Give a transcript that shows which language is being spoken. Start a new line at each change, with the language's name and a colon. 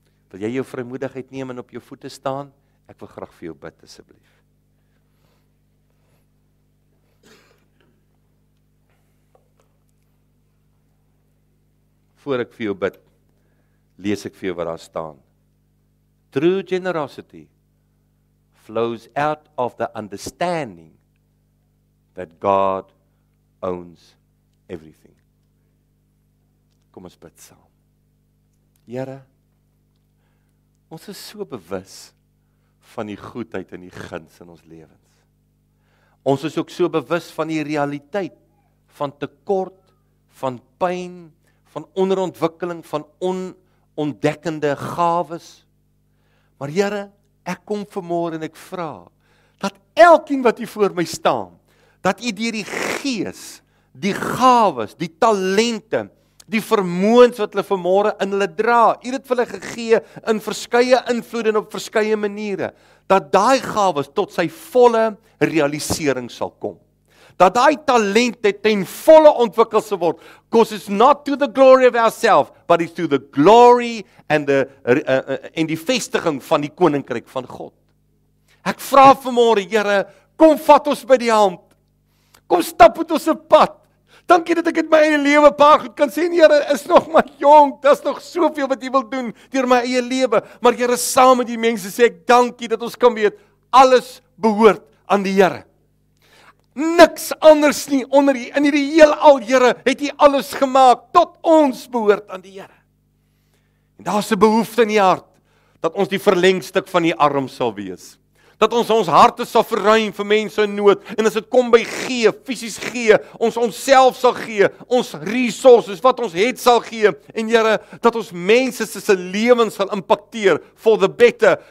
Afrikaans: Wil jy jou vrymoedigheid neem en op jou voete staan? Ek wil graag vir jou bid, asseblief. Voor ek vir jou bid, lees ek vir jou wat daar staan.
English: True generosity flows out of the understanding that God owns everything.
Afrikaans: Kom ons bid saam. Here, ons is so bewus van die goedheid en die guns in ons lewens. Ons is ook so bewus van die realiteit, van tekort, van pyn, van onderontwikkeling, van onontdekkende gawes. Maar Here, ek kom vanmôre en ek vra, dat elkeen wat hier voor my staan, dat U deur die Gees, die gawes, die talente, die vermoëns wat hulle vanmôre in hulle dra, U het hulle gegee in verskeie invloede en op verskeie maniere, dat daai gawes tot sy volle realisering sal kom. Dat daai talente ten volle ontwikkel sal word.
English: Because it's not to the glory of ourselves, but it's to the glory and the
Afrikaans: en die vestiging van die koninkryk van God. Ek vra vanmôre, Here, kom vat ons by die hand. Kom stap met ons op pad. Dankie dat ek het my eie lewe paar goed kan sê, Here, is nog maar jong, daar's nog soveel wat U wil doen deur my eie lewe, maar Here, saam met die mense sê ek dankie dat ons kan weet, alles behoort aan die Here. Niks anders nie onder U, in hierdie heelal, Here, het U alles gemaak, tot ons behoort aan die Here. En daar's 'n behoefte in die hart, dat ons die verlengstuk van die arm sal wees. Dat ons harte sal verruim vir mense in nood, en as dit kom by gee, fisies gee, ons onsself sal gee, ons resources, wat ons het sal gee, en Here, dat ons mense se lewens sal impakteer,
English: for the better.